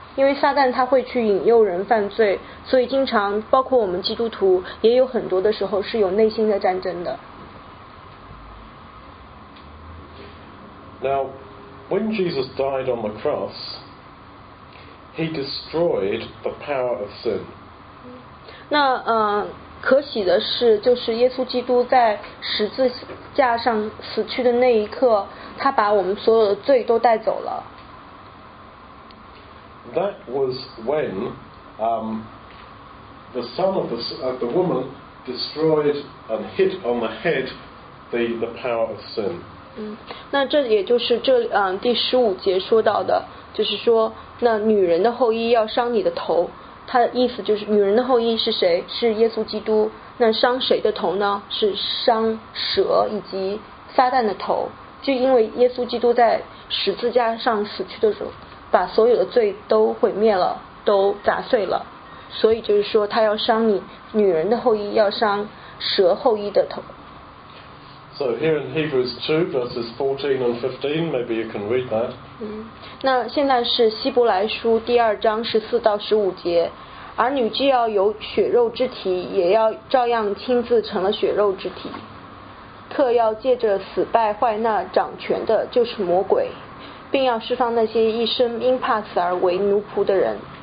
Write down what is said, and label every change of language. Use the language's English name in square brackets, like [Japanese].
[Chinese] 因为撒旦他会去引诱人犯罪，所以经常包括我们基督徒也有很多的时候是有内心的战争的。 [English] Now, when Jesus died on the cross, he destroyed the power of sin. [Chinese] 那可喜的是，就是耶稣基督在十字架上死去的那一刻，他把我们所有的罪都带走了。 [English] That was when the son of the woman destroyed and hit on the head the power of sin. [Chinese] 那这也就是这第十五节说到的，就是说那女人的后裔要伤你的头。他的意思就是女人的后裔是谁？是耶稣基督。那伤谁的头呢？是伤蛇以及撒旦的头。就因为耶稣基督在十字架上死去的时候。把所有的罪都毁灭了，都砸碎了，所以就是说，他要伤你女人的后裔，要伤蛇后裔的头。 [English] So here in Hebrews 2 verses 14 and 15, maybe you can read that. [Chinese] 那现在是希伯来书第二章十四到十五节，儿女既要有血肉之体，也要照样亲自成了血肉之体，特要借着死败坏那掌权的，就是魔鬼。并要释放那些一生因怕死而为奴仆的人。